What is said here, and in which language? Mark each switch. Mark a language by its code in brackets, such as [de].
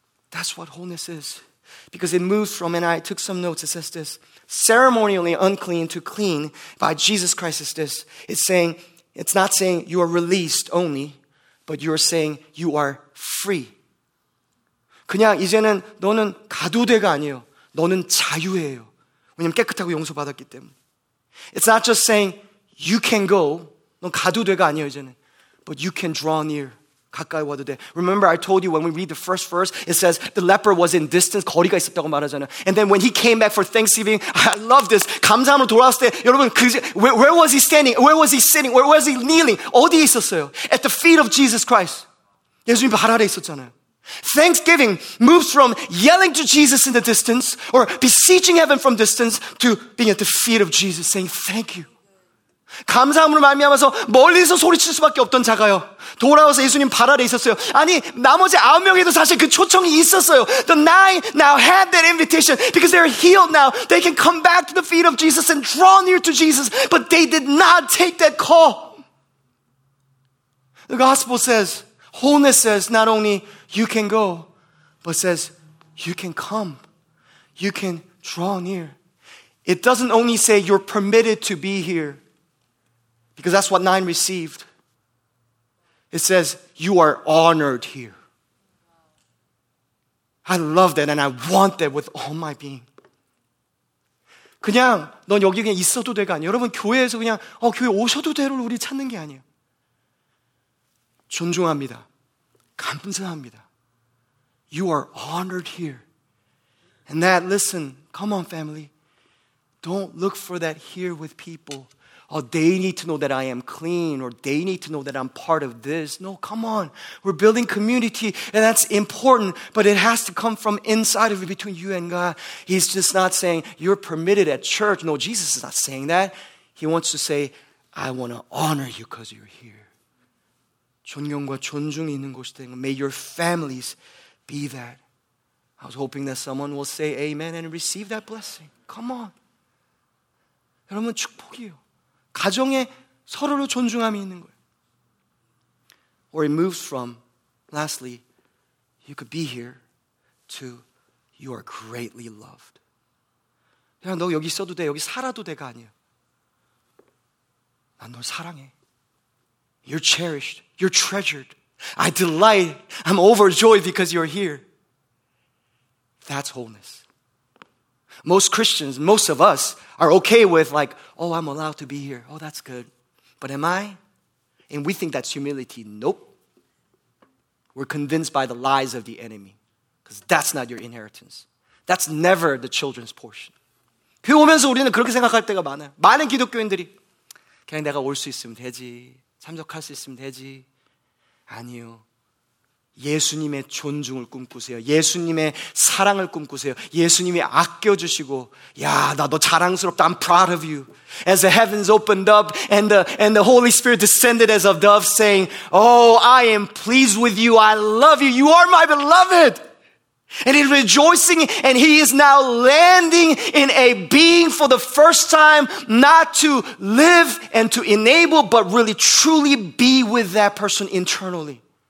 [en] That's what wholeness is. Because it moves from, and I took some notes, it says this, ceremonially unclean to clean by Jesus Christ is this. It's saying, it's not saying you are released only, but you're saying you are free. [ko] 그냥 이제는 너는 가두대가 아니에요. 너는 자유예요. 왜냐면 깨끗하고 용서 받았기 때문에. [en] It's not just saying you can go. [ko] 넌 가두대가 아니에요 이제는. [en] But you can draw near. [ko] 가까이 와도 돼. [en] Remember I told you when we read the first verse, it says the leper was in distance. [ko] 거리가 있었다고 말하잖아. [en] And then when he came back for Thanksgiving, I love this. [ko] 감사함으로 돌아왔을 때, 여러분, [en] where was he standing? Where was he sitting? Where was he kneeling? [ko] 어디에 있었어요? [en] At the feet of Jesus Christ. [ko] 예수님 발 아래 있었잖아요. [en] Thanksgiving moves from yelling to Jesus in the distance or beseeching heaven from distance to being at the feet of Jesus saying thank you. [ko] 감사함으로 말미암아서 멀리서 소리칠 수밖에 없던 자가요 돌아와서 예수님 발 아래 있었어요. 아니 나머지 아홉 명에도 사실 그 초청이 있었어요. [en] The nine now had that invitation because they're healed now. They can come back to the feet of Jesus and draw near to Jesus, but they did not take that call. The gospel says, wholeness says not only you can go, but says you can come, you can draw near. It doesn't only say you're permitted to be here. Because that's what nine received. It says, you are honored here. I love that and I want that with all my being. [ko] 그냥 넌 여기 그냥 있어도 돼가 아니에요. 여러분 교회에서 그냥 교회 오셔도 돼를 우리 찾는 게 아니에요. 존중합니다. 감사합니다. [en] You are honored here. And that, listen, come on family. Don't look for that here with people. Oh, they need to know that I am clean, or they need to know that I'm part of this. No, come on. We're building community, and that's important, but it has to come from inside of you, between you and God. He's just not saying, you're permitted at church. No, Jesus is not saying that. He wants to say, I want to honor you because you're here. [ko] 존경과 존중이 있는 곳이 되는 것. [en] May your families be that. I was hoping that someone will say amen and receive that blessing. Come on. [ko] 여러분, 축복이에요. 가정에 서로를 존중함이 있는 거예요. [en] Or it moves from, lastly, you could be here, to you are greatly loved. [ko] 그냥 너 여기 있어도 돼, 여기 살아도 돼가 아니에요. 난 널 사랑해. [en] You're cherished, you're treasured. I delight, I'm overjoyed because you're here. That's wholeness. Most Christians, most of us, are okay with like, oh, I'm allowed to be here. Oh, that's good. But am I? And we think that's humility. Nope. We're convinced by the lies of the enemy. Because that's not your inheritance. That's never the children's portion. [ko] 배우면서 우리는 그렇게 생각할 때가 많아요. 많은 기독교인들이 그냥 내가 올 수 있으면 되지. 참석할 수 있으면 되지. 아니요. 예수님의 존중을 꿈꾸세요. 예수님의 사랑을 꿈꾸세요. 예수님이 아껴주시고, 야, 나 너 자랑스럽다. [en] I'm proud of you. As the heavens opened up and the Holy Spirit descended as a dove saying, oh, I am pleased with you. I love you. You are my beloved. And he's rejoicing and he is now landing in a being for the first time, not to live and to enable, but really truly be with that person internally.